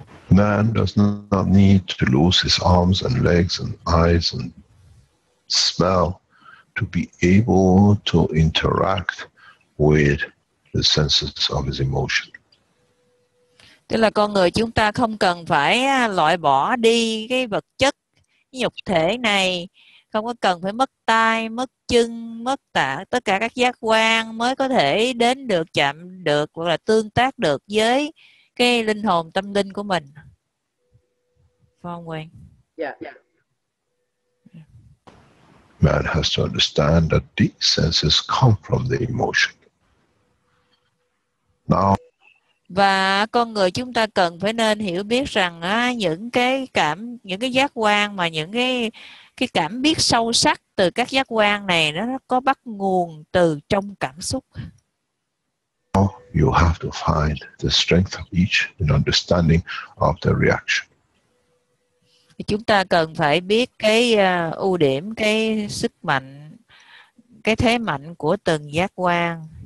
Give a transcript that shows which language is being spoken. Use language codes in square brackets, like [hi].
[en] Man does not need to lose his arms and legs and eyes and smell to be able to interact with the senses of his emotion. [vi] Tức là con người chúng ta không cần phải loại bỏ đi cái vật chất nhục thể này, không có cần phải mất tai, mất chân, mất tất cả các giác quan mới có thể đến được, chạm được hoặc là tương tác được với cái linh hồn tâm linh của mình. Phong Nguyên. [en] Yeah. Man has to understand that these senses come from the emotion. Now. [vi] Và con người chúng ta cần phải nên hiểu biết rằng á, những cái giác quan mà những cái cảm biết sâu sắc từ các giác quan này nó có bắt nguồn từ trong cảm xúc. [en] Now you have to find the strength of each in understanding of the reaction. [vi] Chúng ta cần phải biết cái ưu điểm, cái sức mạnh, cái thế mạnh của từng giác quan.